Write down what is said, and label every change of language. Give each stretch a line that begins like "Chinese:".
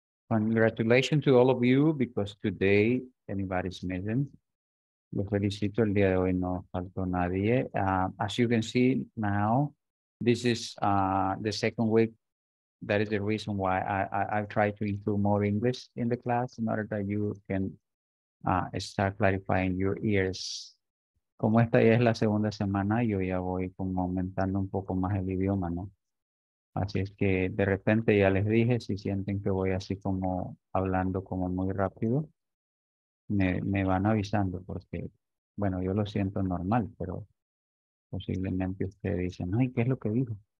English: Congratulations to all of you, because today anybody's missing.
Spanish: Lo felicito, el día de hoy no faltó nadie.
English: As you can see now, this is the second week. That is the reason why I've tried to include more English in the class in order that you can start clarifying your ears.
Spanish: Como esta ya es la segunda semana, yo ya voy como aumentando un poco más el idioma, ¿no? Así es que de repente ya les dije, si sienten que voy así como hablando como muy rápido, me van avisando porque, bueno, yo lo siento normal, pero posiblemente ustedes dicen, ay, ¿qué es lo que dijo?